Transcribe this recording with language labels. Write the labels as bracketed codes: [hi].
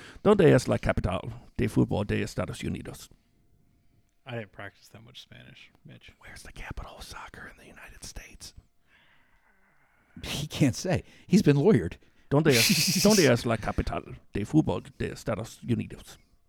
[es] ¿Dónde es la capital de fútbol de Estados Unidos? [en] I didn't practice that much Spanish, Mitch. Where's the capital of soccer in the United States? He can't say. He's been lawyered. [es] ¿Dónde es la capital de fútbol de Estados Unidos?